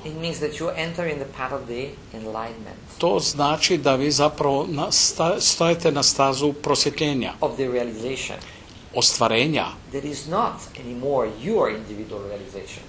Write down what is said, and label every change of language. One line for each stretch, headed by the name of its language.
English: It means that you enter in the path of the enlightenment.
Croatian: To znači da vi zapravo stojite na stazu prosvjetljenja.
English: Of the realization.
Croatian: Ostvarenja.
English: That is not anymore your individual realization.